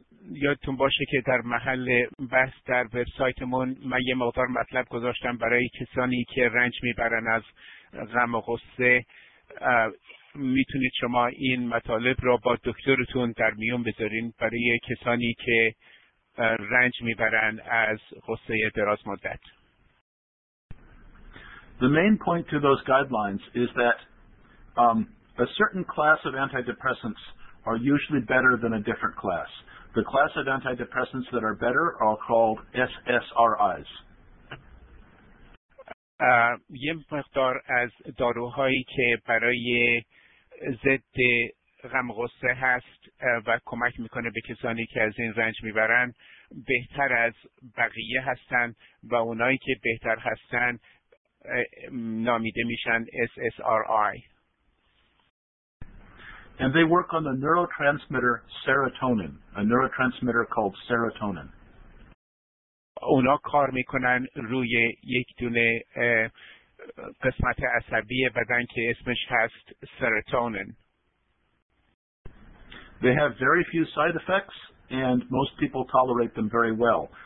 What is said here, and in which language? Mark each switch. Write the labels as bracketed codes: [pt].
[fa] یادتون باشه که در محل بحث در وبسایتمون من یه مقدار مطلب گذاشتم برای کسانی که رنج میبرن از غم و غصه. میتونید شما این مطالب را با دکترتون در میون بذارین برای کسانی که رنج میبرن از غصه دراز مدت. [en] The main point to those guidelines is that a certain class of antidepressants are usually better than a different class. The class of antidepressants that are better are called SSRIs. [fa] یه مقدار از داروهایی که برای ضد غم غصه هست و کمک میکنه به کسانی که از این رنج میبرن بهتر از بقیه هستن و اونایی که بهتر هستن نامیده میشن SSRI. [en] And they work on the neurotransmitter serotonin, a neurotransmitter called serotonin. [fa] اونا کار میکنن روی یک دونه قسمت عصبی بدن که اسمش هست serotonin. [en] They have very few side effects and most people tolerate them very well.